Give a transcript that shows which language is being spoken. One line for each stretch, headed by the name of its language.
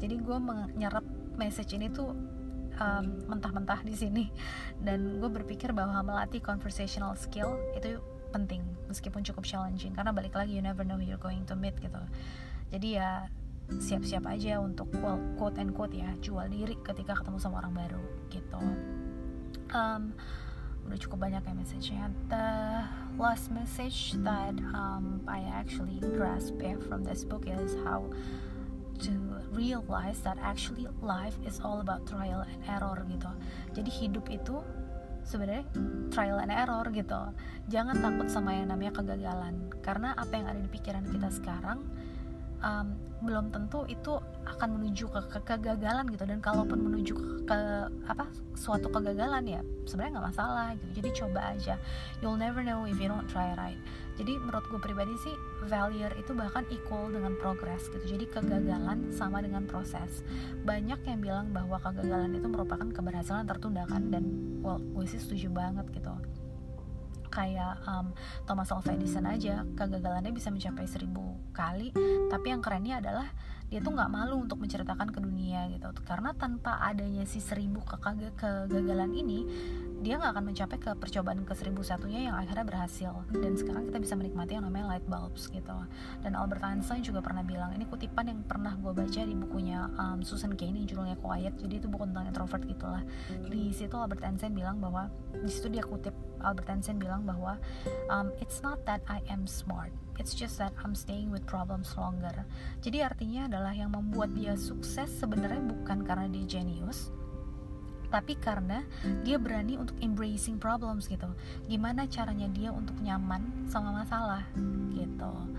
Indonesian: Jadi gue menyerap message ini tuh mentah-mentah di sini, dan gue berpikir bahwa melatih conversational skill itu penting meskipun cukup challenging, karena balik lagi
English: you never know who you're going to meet
Indonesian: gitu. Jadi ya siap-siap aja untuk, well,
English: quote and quote
Indonesian: ya, jual diri ketika ketemu sama orang baru gitu. Udah cukup banyak ya message-nya.
English: The last message that I actually grasp from this book is how to realize that actually life is all about trial and error gitu.
Indonesian: Jadi hidup itu sebenarnya trial and error gitu. Jangan takut sama yang namanya kegagalan, karena apa yang ada di pikiran kita sekarang belum tentu itu akan menuju ke kegagalan gitu. Dan kalaupun menuju suatu kegagalan, ya sebenarnya nggak masalah gitu. Jadi coba aja,
English: you'll never know if you don't try, right?
Indonesian: Jadi menurut gue pribadi sih, failure itu bahkan equal dengan progress gitu. Jadi kegagalan sama dengan proses. Banyak yang bilang bahwa kegagalan itu merupakan keberhasilan tertunda kan, dan well, gue sih setuju banget gitu. Kayak Thomas Alva Edison aja, kegagalannya bisa mencapai 1000 kali, tapi yang kerennya adalah dia tuh gak malu untuk menceritakan ke dunia gitu. Karena tanpa adanya si 1000 kegagalan ini, dia gak akan mencapai ke percobaan ke 1001-nya yang akhirnya berhasil. Dan sekarang kita bisa menikmati yang namanya light bulbs gitu. Dan Albert Einstein juga pernah bilang, ini kutipan yang pernah gue baca di bukunya Susan Cain yang judulnya Quiet. Jadi itu buku tentang introvert gitu lah. Di situ Albert Einstein bilang bahwa, di situ dia kutip Albert Einstein bilang bahwa
English: it's not that I am smart, it's just that I'm staying with problems longer.
Indonesian: Jadi artinya adalah yang membuat dia sukses sebenarnya bukan karena dia genius, tapi karena dia berani untuk embracing problems gitu. Gimana caranya dia untuk nyaman sama masalah gitu.